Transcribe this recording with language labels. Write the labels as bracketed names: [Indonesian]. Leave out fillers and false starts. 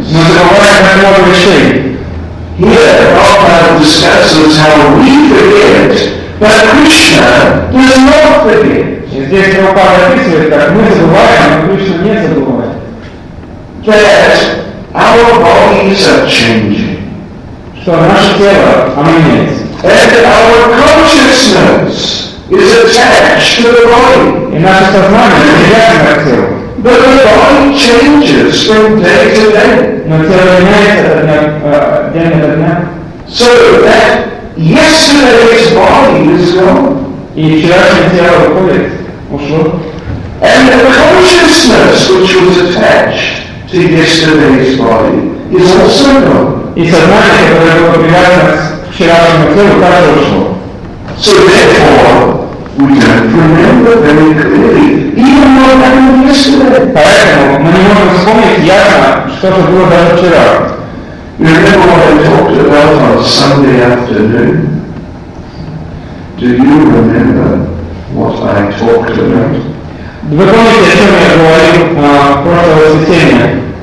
[English] Here, Prabhupada discusses how we forget, but Krishna does not forget. [Russian] Здесь Прабхупада описывает, как мы забываем, но Кришна не забывает. [English] That our bodies are changing. [Russian] Что наше тело, оно меняется. [English] That our consciousness is attached to the body. [Russian] И наше сознание привязано к телу. [English] But the body changes from day to day. [Russian] Но тело меняется от дня, день от дня. [English] So that yesterday's body is gone. [Russian] И вчерашнее тело уходит. Ушло. [English] And the consciousness which was attached to yesterday's body is also gone. [Russian] И сознание, которое было привязано к вчерашнему телу, также ушло. [English] So therefore, we don't remember very clearly, even more than yesterday. [Russian] Поэтому мы не можем вспомнить ясно, что же было даже вчера. [English] Remember what I talked about on Sunday afternoon? Do you remember what I talked about? [Russian] Вы помните, о чем я говорил прошлое воскресенье?